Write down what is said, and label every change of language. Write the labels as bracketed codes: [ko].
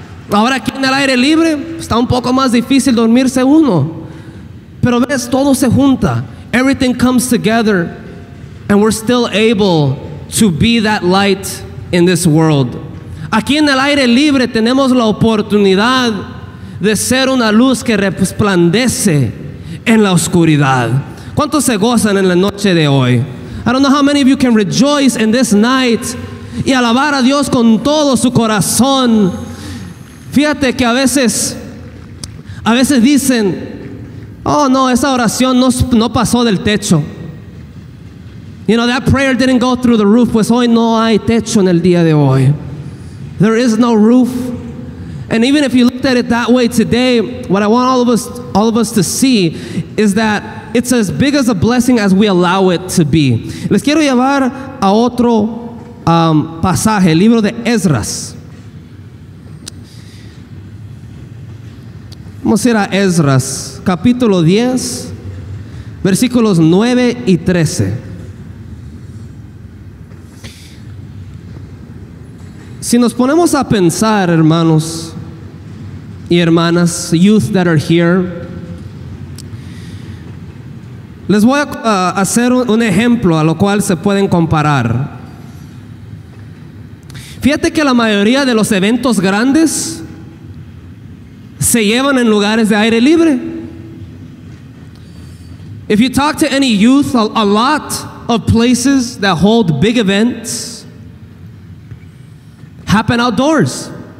[es] Ahora aquí en el aire libre está un poco más difícil dormirse uno. Pero ves, todo se junta. [en] Everything comes together. And we're still able to be that light in this world. [es] Aquí en el aire libre tenemos la oportunidad de ser una luz que resplandece en la oscuridad. ¿Cuántos se gozan en la noche de hoy? [en] I don't know how many of you can rejoice in this night [es] y alabar a Dios con todo su corazón. Fíjate que a veces dicen, oh no, esa oración no pasó del techo. [en] You know, that prayer didn't go through the roof. [es] Pues hoy no hay techo en el día de hoy. [en] There is no roof. And even if you looked at it that way today, what I want all of us to see is that it's as big as a blessing as we allow it to be. [es] Les quiero llevar a otro pasaje, el libro de Esdras. Vamos a ir a Esdras, capítulo 10, versículos 9 y 13. Si nos ponemos a pensar, hermanos y hermanas, [en] youth that are here, [es] les voy a hacer un ejemplo a lo cual se pueden comparar. Fíjate que la mayoría de los eventos grandes se llevan en lugares de aire libre. [en] If you talk to any youth, a lot of places that hold big events happen outdoors.